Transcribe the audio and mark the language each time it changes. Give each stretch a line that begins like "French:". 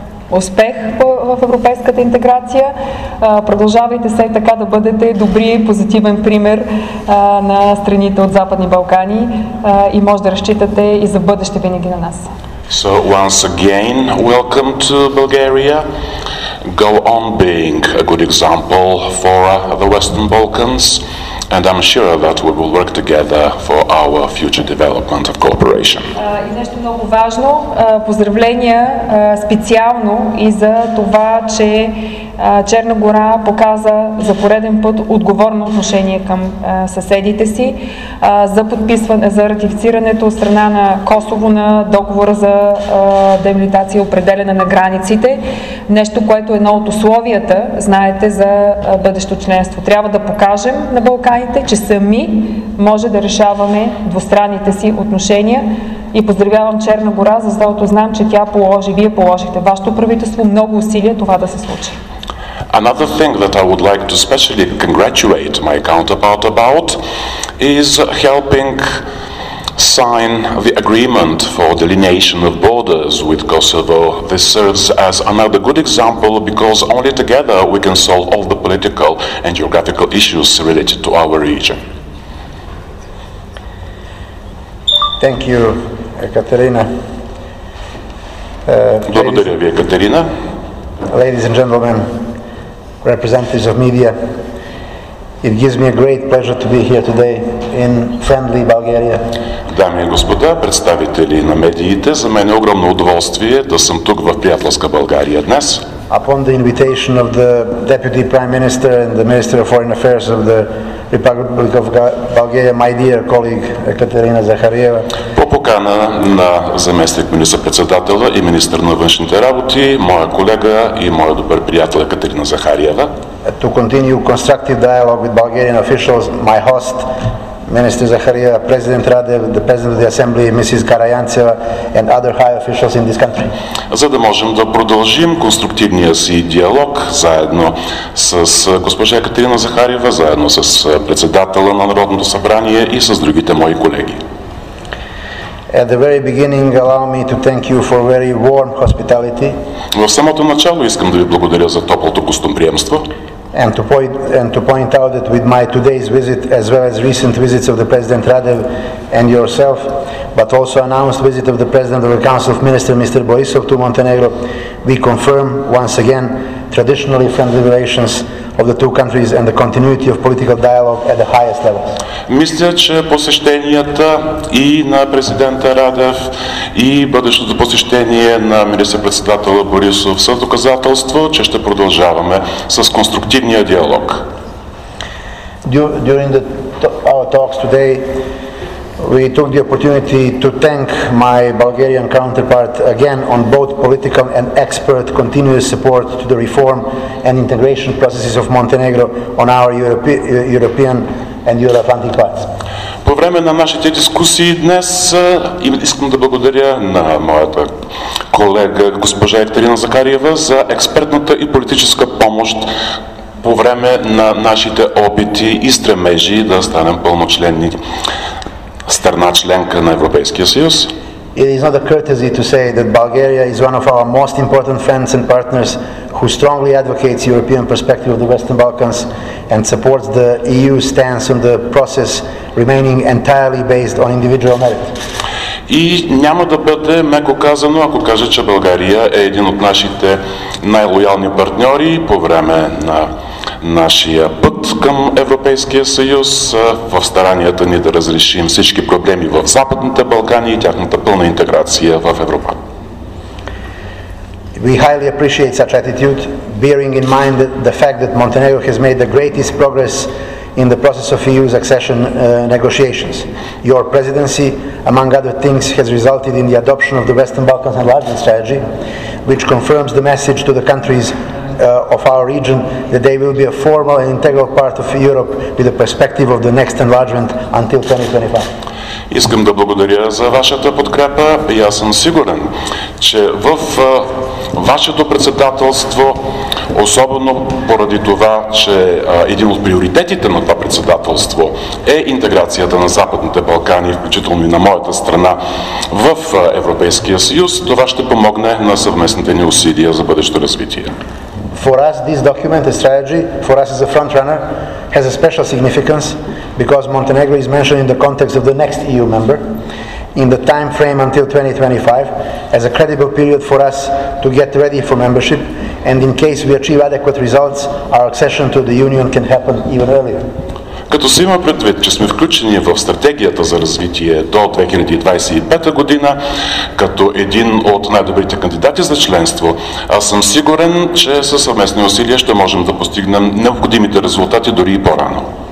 Bulgarian: Успех в европейската интеграция. Продължавайте се така да бъдете добри и позитивен пример на страните от Западни Балкани и може да разчитате и за бъдеще винаги на нас.
English: So once again, welcome to Bulgaria. Go on being a good example for the Western Balkans, and I'm sure that we will work together for our future development of cooperation.
Bulgarian: И нещо много важно, поздравления специално и за това, че Черна гора показа за пореден път отговорно отношение към съседите си, за ратифицирането от страна на Косово на договора за демилитация и определяне на границите. Нещо, което е едно от условията, знаете, за бъдещо членство. Трябва да покажем на Балканите, че сами може да решаваме двустранните си отношения. И поздравявам Черна гора, защото знам, че вие положихте вашето правителство много усилия това да се случи.
English: Another thing that I would like to specially congratulate my counterpart about is helping sign the agreement for delineation of borders with Kosovo. This serves as another good example because only together we can solve all the political and geographical issues related to our region. Thank you, Ekaterina.
Russian: Благодарю вас, Екатерина.
English: Ladies and gentlemen, representatives of media, it gives me a great pleasure to be here today in friendly Bulgaria.
Bulgarian: Дами и господа, представители на медиите, за мен е огромно удоволствие да съм тук в приятелска България днес.
English: Upon the invitation of the Deputy Prime Minister and the Minister of Foreign Affairs of the Republic of Bulgaria, my dear colleague Екатерина Захариева.
Bulgarian: По покана на заместник министър-председателя и министър на външните работи, моя колега и моя добър приятел Екатерина Захариева.
English: To continue constructive dialogue with Bulgarian officials, my host, Minister Zakharia, President Radev, the President of the Assembly, Mrs. Karayantseva, and other high officials in this country.
Bulgarian: За да можем да продължим конструктивния си диалог заедно с госпожа Екатерина Захариева, заедно с председателя на Народното събрание и с другите мои колеги.
English: At the very beginning, allow me to thank you for very warm hospitality.
Bulgarian: В самото начало искам да ви благодаря за топлото гостоприемство.
English: And to point out that with my today's visit, as well as recent visits of the President Radev and yourself, but also announced visit of the President of the Council of Ministers, Mr. Borisov, to Montenegro, we confirm once again traditionally friendly relations of the two countries and the continuity of political dialogue at the highest level.
Bulgarian: Мисля, че посещенията и на президента Радев, и бъдещото посещение на министър-председателя Борисов са доказателство, че ще продължаваме с конструктивния диалог.
English: During our talks today, we took the opportunity to thank my Bulgarian counterpart again on both political and expert continuous support to the reform and integration processes of Montenegro on our European and Euro-Atlantic parts.
Bulgarian: По време на нашите дискусии днес искам да благодаря на моята колега госпожа Екатерина Захариева за експертната и политическа помощ по време на нашите опити и стремежи да станем пълночленни страна членка на Европейския съюз.
English: It is not a courtesy to say that Bulgaria is one of our most important friends and partners who strongly advocates European perspective of the Western Balkans and supports the EU stance on the process remaining entirely based on individual merit.
Bulgarian: И няма да бъде меко казано, ако кажа, че България е един от нашите най-лоялни партньори по време на нашия път към Европейския съюз в старанията ни да разрешим всички проблеми в Западните Балкани и тяхната пълна интеграция в Европа.
English: We highly appreciate such attitude, bearing in mind the fact that Montenegro has made the greatest progress in the process of EU's accession negotiations. Your presidency, among other things, has resulted in the adoption of the Western Balkans enlargement strategy, which confirms the message to the countries of our region that they will be a formal and integral part of Europe with the perspective of the next enlargement until 2025.
Bulgarian: Искам да благодаря за вашата подкрепа и аз съм сигурен, че в вашето председателство, особено поради това, че един от приоритетите на това председателство е интеграцията на Западните Балкани, включително и на моята страна в Европейския съюз, това ще помогне на съвместните ни усилия за бъдещо развитие.
English: For us, this document, the strategy, for us as a front runner, has a special significance because Montenegro is mentioned in the context of the next EU member, in the time frame until 2025, as a credible period for us to get ready for membership, and in case we achieve adequate results, our accession to the Union can happen even earlier.
Bulgarian: Като се има предвид, че сме включени в стратегията за развитие до 2025 година, като един от най-добрите кандидати за членство, аз съм сигурен, че със съвместни усилия ще можем да постигнем необходимите резултати дори и по-рано.